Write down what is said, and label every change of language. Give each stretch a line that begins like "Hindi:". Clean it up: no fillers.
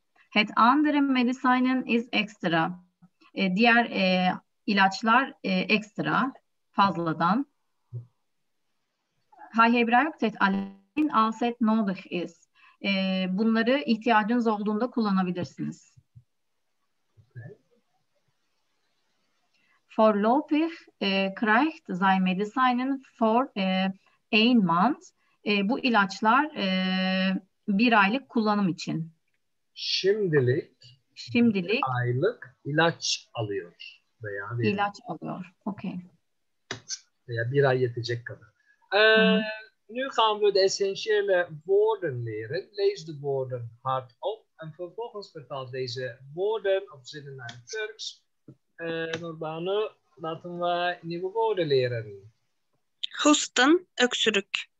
Dutch: Het andere medicijnen is extra.
Turkish: Diğer ilaçlar extra, fazladan.
Dutch: Hij gebruikt het alleen als het nodig is.
Turkish: Bunları ihtiyacınız olduğunda kullanabilirsiniz.
Dutch: Voorlopig krijgt zijn medicijnen voor één maand.
Turkish: Bu ilaçlar bir aylık kullanım için. Şimdilik bir aylık ilaç alıyor. Veya bir ilaç alıyor. Okay. Veya bir ay yetecek kadar.
Dutch: Nu gaan we de essentiële woorden leren. Lees de woorden hardop en vervolgens vertaal deze woorden op zinnen naar het Turks. Nurbanu, laten we nieuwe woorden leren. Hoesten, öksürük.